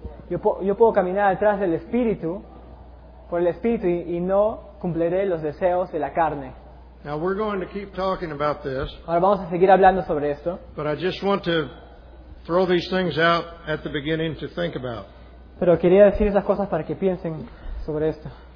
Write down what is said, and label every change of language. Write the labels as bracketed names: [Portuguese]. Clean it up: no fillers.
[Spanish] Yo puedo caminar atrás del Espíritu, por el Espíritu, y no cumpliré los deseos de la carne. [English] Now we're going to keep talking about this. [Spanish] Ahora vamos a seguir hablando sobre esto. [English] But I just want to throw these things out at the beginning to think about. [Spanish] Pero quería decir esas cosas para que piensen sobre esto.